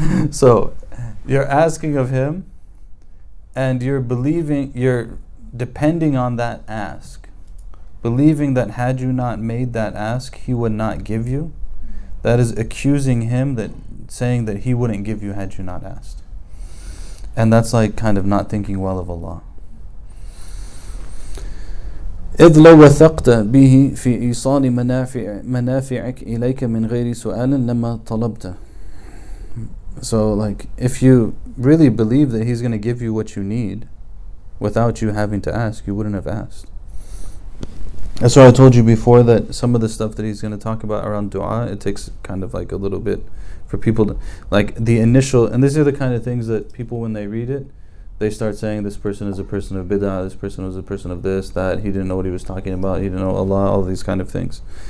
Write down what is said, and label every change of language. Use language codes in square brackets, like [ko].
[en] So you're asking of him, and you're believing, you're depending on that ask, believing that had you not made that ask, he would not give you. That is accusing him, that saying that he wouldn't give you had you not asked. And that's like kind of not thinking well of Allah. [ar] إذ لو وثقت به في إيصال منافعك إليك من غير سؤال لما طلبت. [en] So like, if you really believe that he's going to give you what you need without you having to ask, you wouldn't have asked. That's why I told you before that some of the stuff that he's going to talk about around dua, it takes kind of like a little bit for people to, like the initial, and these are the kind of things that people, when they read it, they start saying this person is a person of bid'ah, this person was a person of this, that, he didn't know what he was talking about, he didn't know Allah, all these kind of things.